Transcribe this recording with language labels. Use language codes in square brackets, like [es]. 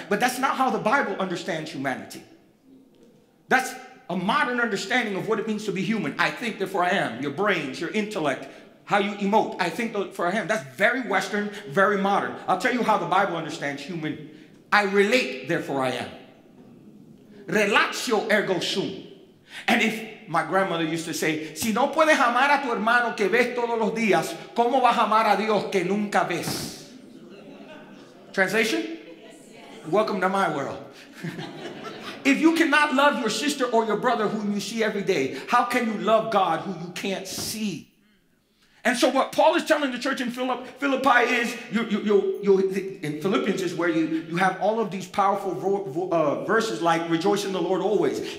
[en] But that's not how the Bible understands humanity. That's a modern understanding of what it means to be human. I think, therefore I am. Your brains, your intellect, how you emote. I think, therefore I am. That's very Western, very modern. I'll tell you how the Bible understands human. I relate, therefore I am. [la] Relatio ergo sum. [en] And if my grandmother used to say, [es] si no puedes amar a tu hermano que ves todos los días, ¿cómo vas a amar a Dios que nunca ves? [en] Translation? Yes, yes. Welcome to my world. If you cannot love your sister or your brother whom you see every day, how can you love God who you can't see? And so what Paul is telling the church in Philippi is, in Philippians is where you have all of these powerful verses like, rejoice in the Lord always.